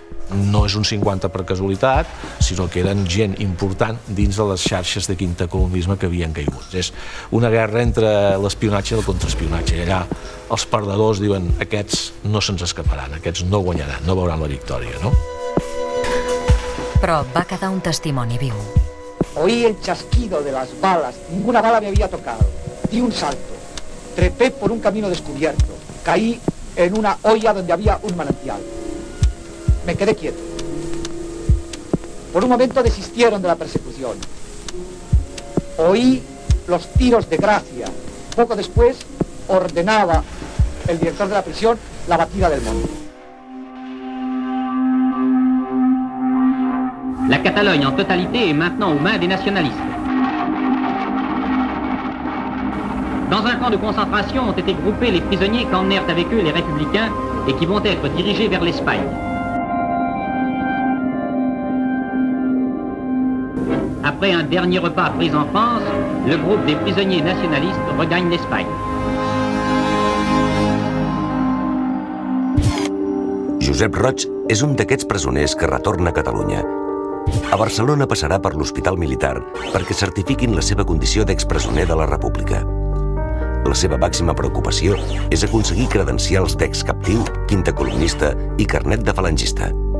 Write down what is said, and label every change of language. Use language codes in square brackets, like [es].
[ca] No és un 50 per casualitat, sinó que eren gent important dins de les xarxes de quintacolonisme que havien caigut. És una guerra entre l'espionatge i el contraespionatge. Allà els perdedors diuen: aquests no se'ns escaparan, aquests no guanyaran, no veuran la victòria, no? Però va quedar un testimoni viu. [es] Oí el chasquido de las balas, ninguna bala me había tocado. Di un salto, trepé por un camino descubierto, caí en una olla donde había un manantial. Me quedé quieto. Por un momento desistieron de la persecución. Oí los tiros de gracia. Poco después ordenaba el director de la prisión la batida del monte. [fr] La Catalogne en totalité est maintenant aux mains des nationalistes. Dans un camp de concentration ont été groupés les prisonniers qu'emmenèrent avec eux les républicains et qui vont être dirigés vers l'Espagne. Après un dernier repas pris en France, le groupe des prisonniers nationalistes regagne l'Espagne. [ca] Josep Roig és un d'aquests presoners que retorna a Catalunya. A Barcelona passarà per l'Hospital Militar perquè certifiquin la seva condició d'expresoner de la República. La seva màxima preocupació és aconseguir credencials d'excaptiu, quintacolonista i carnet de falangista.